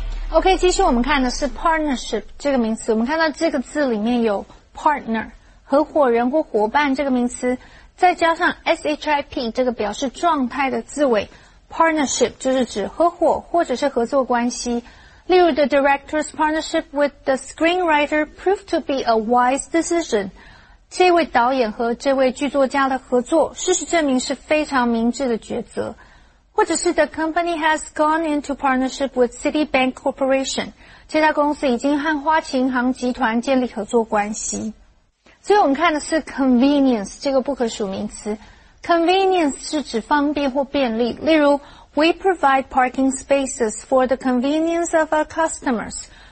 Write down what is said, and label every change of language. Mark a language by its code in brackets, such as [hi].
[zh] Okay, 其实我们看的是 partnership 这个名词，我们看到这个字里面有 partner, 合伙人或伙伴这个名词，再加上 SHIP 这个表示状态的字尾。 Partnership 就是指合伙或者是合作关系。例如 [en] ,the director's partnership with the screenwriter proved to be a wise decision. [zh] 这位导演和这位剧作家的合作事实证明是非常明智的抉择。或者是 [en] ,the company has gone into partnership with Citibank Corporation. [zh] 这家公司已经和花旗银行集团建立合作关系。所以我们看的是 convenience, 这个不可数名词。Convenience 是指方便或便利，例如 , [en] we provide parking spaces for the convenience of our customers.